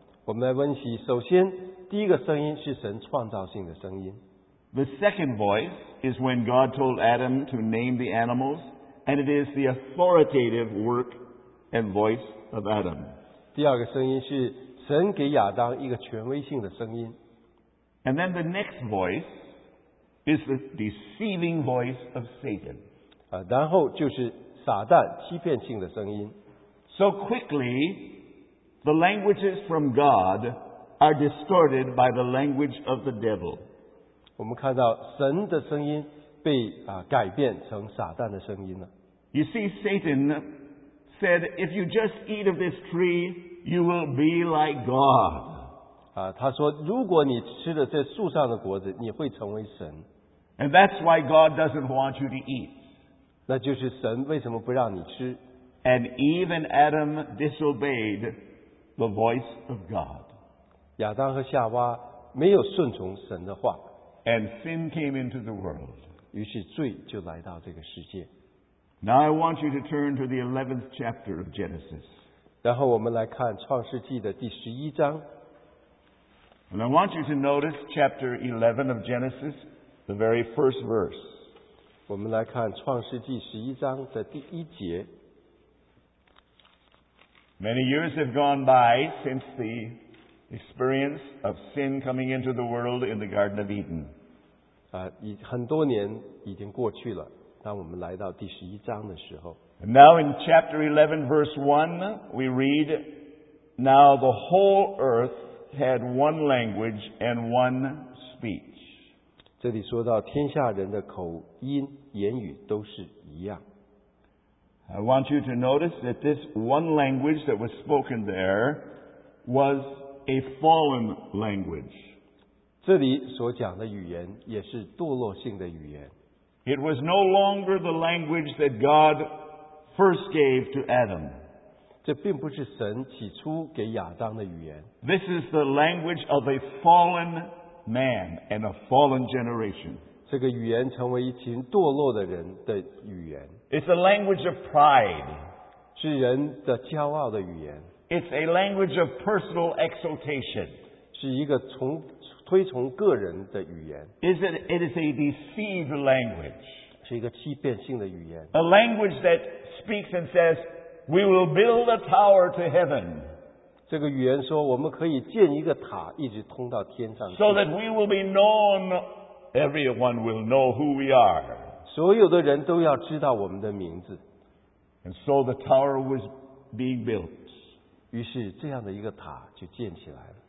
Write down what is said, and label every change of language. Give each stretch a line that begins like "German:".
Chinese: 我们来温习。首先，第一个声音是神创造性的声音。
English: The second voice is when God told Adam to name the animals, and it is the authoritative work and voice of Adam.
Chinese: 第二个声音是神给亚当一个权威性的声音。
English: And then the next voice is the deceiving voice of Satan.
Chinese: 然后就是撒旦欺骗性的声音。
English: So quickly, the languages from God are distorted by the language of the devil.
Chinese: 我们看到神的声音被改变成撒旦的声音了。
English: You see, Satan said, if you just eat of this tree, you will be like God.
Chinese: 他说如果你吃了这树上的果子你会成为神。
English: And that's why God doesn't want you to eat.
Chinese: 那就是神为什么不让你吃。
English: And even Adam disobeyed the voice of God.
Chinese: 亚当和夏娃没有顺从神的话。
English: And sin came into the world.
Chinese: 于是罪就来到这个世界。
English: Now I want you to turn to the 11th chapter of Genesis.
Chinese: 然后我们来看创世纪的第十一章。
English: And I want you to notice chapter 11 of Genesis, the very first verse.
Chinese: 我们来看创世纪十一章的第一节。
English: Many years have gone by since the experience of sin coming into the world in the Garden of Eden.
Chinese: 很多年已经过去了。当我们来到第十一章的时候。
English: And now in chapter 11, verse 1, we read, Now the whole earth had one language and one speech.
Chinese: 这里说到天下人的口音、言语都是一样。
English: I want you to notice that this one language that was spoken there was a fallen language.
Chinese: 这里所讲的语言也是堕落性的语言。
English: It was no longer the language that God first gave to Adam.
Chinese: 这并不是神起初给亚当的语言。
English: This is the language of a fallen man and a fallen generation.
Chinese: 这个语言成为一群堕落的人的语言。
English: It's a language of pride.
Chinese: 是人的骄傲的语言。
English: It's a language of personal exaltation.
Chinese: 是一个从推崇个人的语言。
English: It is a deceived language.
Chinese: 是一个欺骗性的语言。
English: A language that speaks and says, we will build a tower to heaven.
Chinese: 这个语言说我们可以建一个塔一直通到天上去。
English: So that we will be known, everyone will know who we are.
Chinese: 所有的人都要知道我们的名字。
English: And so the tower was being built.
Chinese: 于是这样的一个塔就建起来了。